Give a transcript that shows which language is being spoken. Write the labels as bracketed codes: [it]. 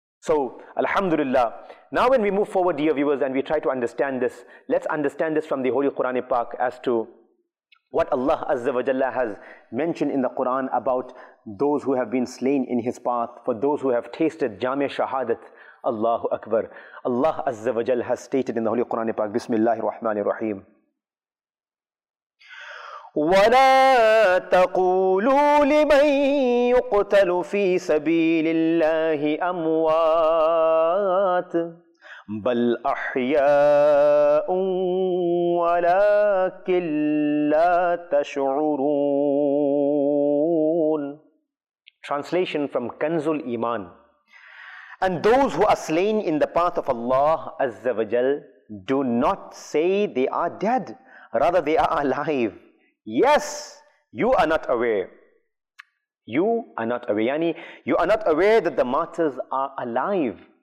[en] So, Alhamdulillah. Now when we move forward, dear viewers, and we try to understand this, let's understand this from the Holy Quran Pak as to what Allah Azza wa Jalla has mentioned in the Quran about those who have been slain in His path, for those who have tasted Jami Shahadat. Allahu Akbar. Allah Azza wa Jalla has stated in the Holy Quran Pak, Bismillahir Rahmanir Rahim. [ar] ولا تقولوا لمن يقتل في سبيل الله أموات بل أحياء ولكن لا تشعرون. [en] Translation from Kanzul Iman. And those who are slain in the path of Allah Azza wa Jal, do not say they are dead, rather they are alive. Yes, you are not aware. You are not aware. Yani, you are not aware that the martyrs are alive.